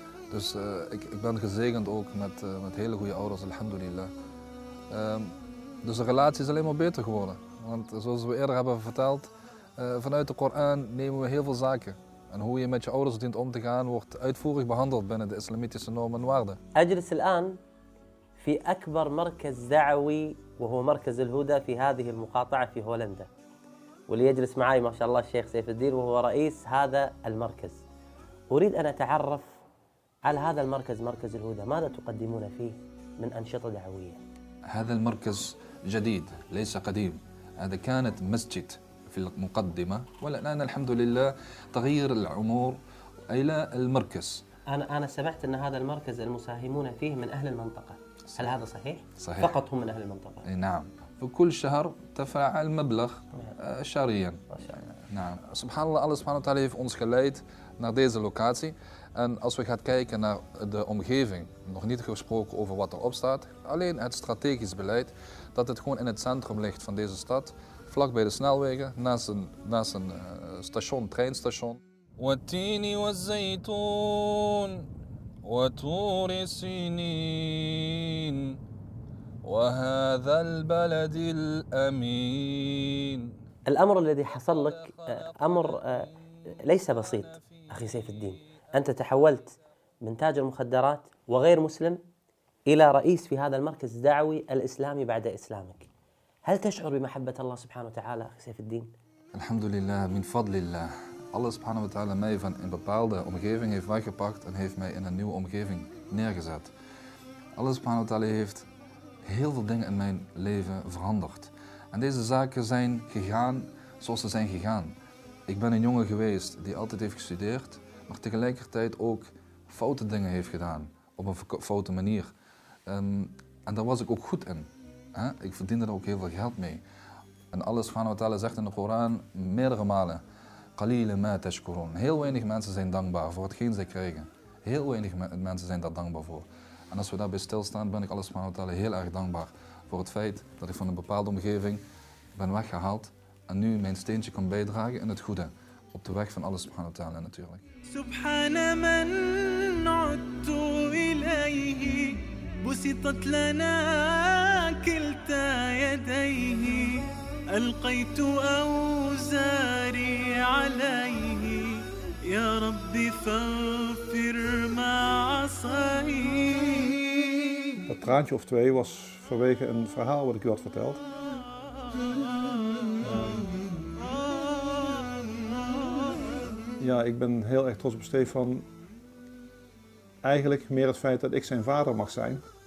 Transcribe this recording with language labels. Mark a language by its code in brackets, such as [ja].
[nl] Dus ik ben gezegend ook met hele goede ouders, alhamdulillah. Dus de relatie is alleen maar beter geworden. Want zoals we eerder hebben verteld, vanuit de Koran nemen we heel veel zaken. En hoe je met je ouders dient om te gaan, wordt uitvoerig behandeld binnen de islamitische normen en waarden. [ar] أجلس الآن في أكبر مركز دعوي وهو مركز الهدى في هذه المقاطعة في هولندا. واللي يجلس معي ما شاء الله الشيخ سيف الدين وهو رئيس هذا المركز. أريد أن أتعرف على هذا المركز مركز الهدى. ماذا تقدمون فيه من أنشطة دعوية؟ هذا المركز جديد ليس قديم. هذا كانت مسجد. في المقدمة والآن الحمد لله تغيير الأمور إلى المركز. أنا سمعت أن هذا المركز المساهمون فيه من أهل المنطقة. صحيح. هل هذا صحيح؟ صحيح. فقط هم من أهل المنطقة. نعم. في كل شهر تفاعل مبلغ شهريا. نعم. سبحان الله الله سبحانه وتعالى [nl] heeft ons geleid naar deze locatie. En als we gaan kijken naar de omgeving, nog niet gesproken over wat erop staat, alleen het strategisch beleid dat het gewoon in het centrum ligt van deze stad. Vlak bij de snelwegen, naast een station, treinstation. [ar] Watini wa zaytun, wa tur sinin, wa hadha al balad al amin. الأمر الذي حصل لك أمر ليس بسيط أخي سيف الدين. أنت تحولت من تاجر مخدرات وغير مسلم إلى رئيس في هذا المركز الدعوي الإسلامي بعد إسلامك. هل تشعر بمحبة الله سبحانه وتعالى أخي سيف الدين؟ الحمد لله من فضل الله. الله سبحانه وتعالى [nl] mij van een bepaalde omgeving heeft weggepakt en heeft mij in een nieuwe omgeving neergezet. [ar] الله سبحانه وتعالى [nl] heeft heel veel dingen in mijn leven veranderd. En deze zaken zijn gegaan zoals ze zijn gegaan. Ik ben een jongen geweest die altijd heeft gestudeerd, maar tegelijkertijd ook foute dingen heeft gedaan op een foute manier. En daar was ik ook goed in. Ik verdiende er ook heel veel geld mee. En Allah subhanahu wa ta'ala zegt in de Koran meerdere malen: [ar] Qalila ma tashkurun. [nl] Heel weinig mensen zijn dankbaar voor hetgeen ze krijgen. Heel weinig mensen zijn daar dankbaar voor. En als we daarbij stilstaan, ben ik Allah subhanahu wa ta'ala heel erg dankbaar voor het feit dat ik van een bepaalde omgeving ben weggehaald en nu mijn steentje kan bijdragen in het goede. Op de weg van Allah subhanahu wa ta'ala natuurlijk. [ar] Subhana man nu'tu ilayhi. بسطت لنا كلتا يديه ألقيت أوزاري عليه يا رب فاغفر ما عصيت. [nl] Het traantje of twee was vanwege een verhaal wat ik u had verteld. Ja, ik ben heel erg trots op Stefan. Eigenlijk meer het feit dat ik zijn vader mag zijn.